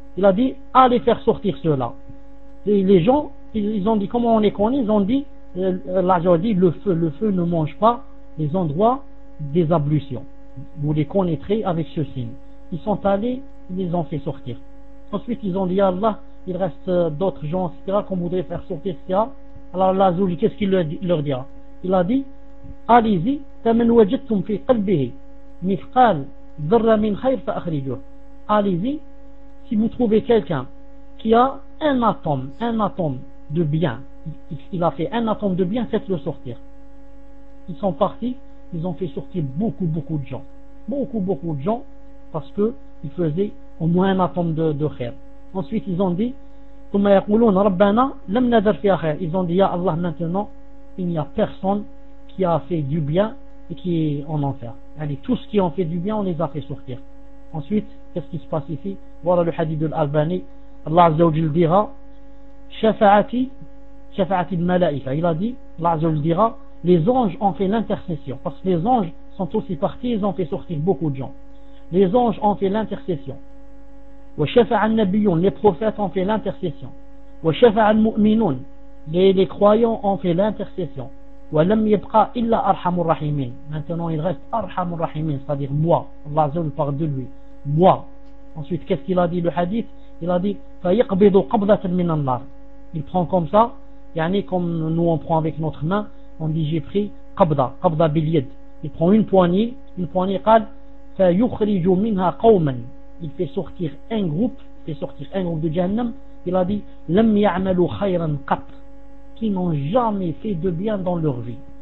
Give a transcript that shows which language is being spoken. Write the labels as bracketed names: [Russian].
[French] Il a dit, allez faire sortir ceux-là. Et les gens, ils ont dit, comment on les connaît? Ils ont dit, le feu ne mange pas les endroits des ablutions. Vous les connaîtrez avec ce signe. Ils sont allés, ils les ont fait sortir. Ensuite, ils ont dit, Allah, il reste d'autres gens, etc., qu'on voudrait faire sortir, etc. Alors, Allah Azouli, qu'est-ce qu'il leur dira? Il a dit, allez-y, [Arabic] فمن وجدتم في قلبه مثقال ذرة من خير فأخرجوه. [French] Allez-y, si vous trouvez quelqu'un qui a un atome de bien, il a fait un atome de bien, faites-le sortir. Ils sont partis, ils ont fait sortir beaucoup de gens, beaucoup de gens, parce que ils faisaient au moins un atome de khair. Ensuite, ils ont dit, [Arabic] ثم يقولون ربنا لم نذر في خير. [French] Ils ont dit, Ya Allah, maintenant il n'y a personne qui a fait du bien et qui est en enfer. Allez, tous ceux qui ont fait du bien, on les a fait sortir. Ensuite, qu'est-ce qui se passe ici? Voilà le hadith de l'Albani. Allah Azza wa Jal dira, [Arabic] Shafa'ati al-Mala'ika. [French] Il a dit, Allah Azza wa Jal dira, les anges ont fait l'intercession. Parce que les anges sont aussi partis, ils ont fait sortir beaucoup de gens. Les anges ont fait l'intercession. [Arabic] Wa Shafa'a al-Nabiyoun, [French] les prophètes ont fait l'intercession. [Arabic] Wa Shafa'a al-Mu'minoun, [French] les croyants ont fait l'intercession. [Arabic] وَلَمْ يَبْقَى إِلَّا أَرْحَمُ الرَّحِيمِينَ. [French] Maintenant il reste [Arabic] أَرْحَمُ الرَّحِيمِينَ, [French] c'est-à-dire moi. Allah Azza wa Jalla parle de lui, moi. Ensuite, qu'est-ce qu'il a dit le hadith? Il a dit [Arabic] فَيَقْبِضُ قَبْضَةً مِنَ النَّارِ. [French] Il prend comme ça, yani comme nous on prend avec notre main, on dit j'ai pris [Arabic] قَبْضَة بِالْيَدْ. [French] Il prend une poignée, [Arabic] قَالْ فَيُخْرِجُ مِنْهَا قَوْمًا. [French] Il fait sortir un groupe, de Jahannam. Il a dit [Arabic] لَمْ يَعْمَلُوا خَيْرًا قَطْ. [French] Qui n'ont jamais fait de bien dans leur vie.